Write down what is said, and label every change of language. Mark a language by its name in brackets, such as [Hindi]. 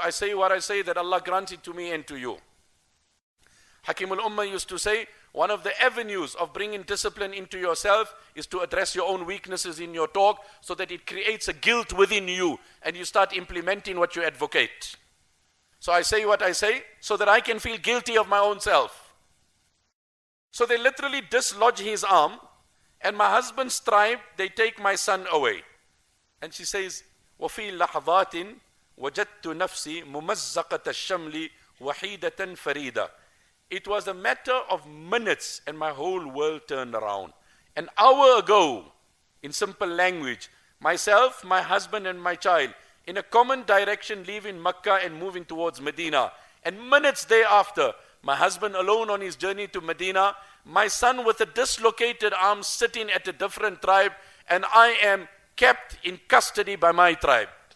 [English] I say what I say, that Allah grant it to me and to you. Hakim al-Ummah used to say, one of the avenues of bringing discipline into yourself is to address your own weaknesses in your talk so that it creates a guilt within you and you start implementing what you advocate. So I say what I say so that I can feel guilty of my own self. So they literally dislodge his arm, and my husband's tribe, they take my son away. And she says, [Arabic] وَفِي لَحْظَاتٍ وَجَدْتُ نَفْسِي مُمَزَّقَةَ الشَّمْلِ وَحِيدَةً فَرِيدًا. [English] It was a matter of minutes and my whole world turned around. An hour ago, in simple language, myself, my husband and my child, in a common direction, leaving Makkah and moving towards Medina. And minutes thereafter, my husband alone on his journey to Medina, my son with a dislocated arm sitting at a different tribe, and I am kept in custody by my tribe.